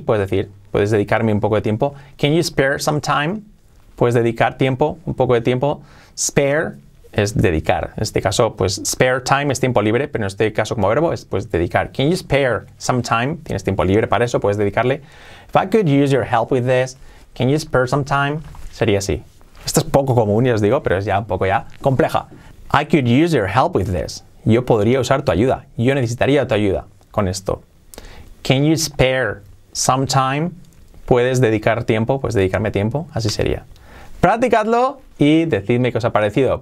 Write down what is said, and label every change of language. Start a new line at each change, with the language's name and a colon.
Spanish: Puedes decir, ¿puedes dedicarme un poco de tiempo?
English: Can you spare some time?
Spanish: ¿Puedes dedicar tiempo, un poco de tiempo? Spare es dedicar. En este caso, pues spare time es tiempo libre, pero en este caso como verbo es pues dedicar.
English: Can you spare some time?
Spanish: Tienes tiempo libre para eso, puedes dedicarle.
English: If I could use your help with this, can you spare some time?
Spanish: Sería así. Esta es poco común, ya os digo, pero es ya un poco ya compleja.
English: I could use your help with this.
Spanish: Yo podría usar tu ayuda. Yo necesitaría tu ayuda con esto.
English: Can you spare some time?
Spanish: ¿Puedes dedicar tiempo? Pues dedicarme tiempo. Así sería. Practicadlo y decidme qué os ha parecido.